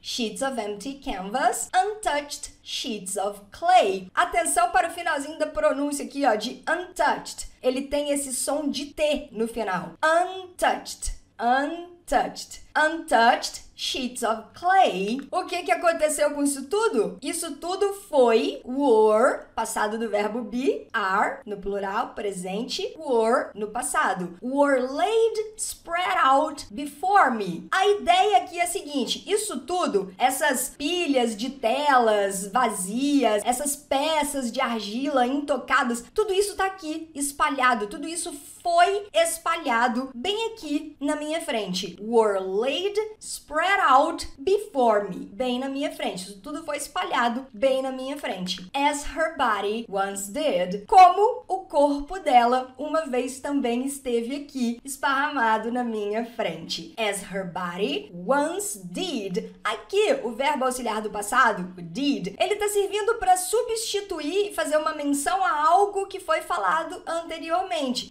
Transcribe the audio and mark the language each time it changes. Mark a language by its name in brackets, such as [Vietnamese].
[English] Sheets of empty canvas, untouched sheets of clay. [Portuguese] Atenção para o finalzinho da pronúncia aqui, ó, de untouched. Ele tem esse som de T no final. [English] Untouched, untouched, untouched sheets of clay. [Portuguese] O que que aconteceu com isso tudo? Isso tudo foi, were, passado do verbo be, are, no plural, presente, were, no passado, [English] were laid spread out before me. [Portuguese] A ideia aqui é a seguinte: isso tudo, essas pilhas de telas vazias, essas peças de argila intocadas, tudo isso tá aqui espalhado, tudo isso foi espalhado bem aqui na minha frente. [English] were laid spread out before me. [Portuguese] Bem na minha frente. Isso tudo foi espalhado bem na minha frente. [English] As her body once did. [Portuguese] Como o corpo dela uma vez também esteve aqui, esparramado na minha frente. [English] As her body once did. [Portuguese] Aqui, o verbo auxiliar do passado, did, ele tá servindo para substituir e fazer uma menção a algo que foi falado anteriormente.